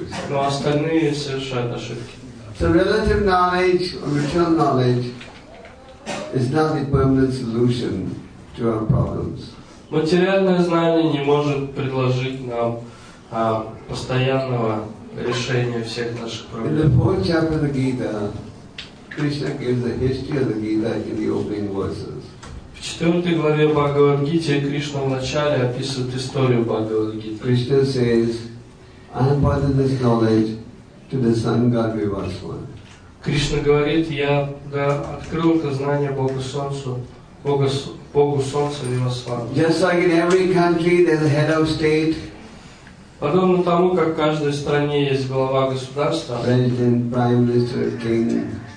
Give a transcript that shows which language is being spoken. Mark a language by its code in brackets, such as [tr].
[ru] Но остальные совершают ошибки. [en] So relative knowledge or material knowledge is not the permanent solution to our problems. [ru] Материальное знание не может предложить нам постоянного решения всех наших проблем. [en] In the fourth chapter of the Gita, Krishna gives the history of the Gita in the opening verses. [ru] В четвертой главе Бхагавад-гиты Кришна в начале описывает историю Бхагавад-гиты. [en] Krishna says, I imparted this knowledge to the sun god Vivaswan. [ru] Кришна говорит, я открыл это знание Богу Солнцу, Богу Солнца Вивасвану. [en] Just like in every country there's a head of state. [ru] Подобно тому, как в каждой стране есть глава государства. [en] President, prime minister, king.